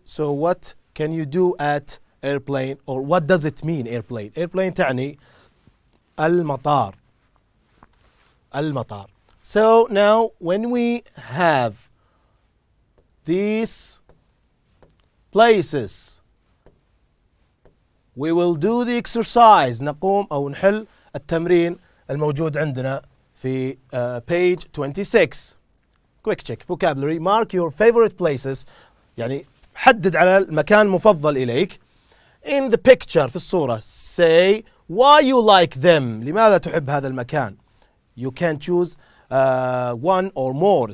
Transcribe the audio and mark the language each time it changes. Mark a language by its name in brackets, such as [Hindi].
[English] So what can you do at airplane, or what does it mean airplane? [Arabic] Airplane تعني المطار. المطار. [English] So now when we have these places, we will do the exercise. [Arabic] نقوم أو نحل التمرين الموجود عندنا في page 26. [English] Quick check vocabulary. Mark your favorite places. [Arabic] يعني حدد على المكان المفضل إليك. [English] In the picture, [Arabic] في الصورة. [English] Say why you like them. [Arabic] لماذا تحب هذا المكان؟ [English] You can choose one or more.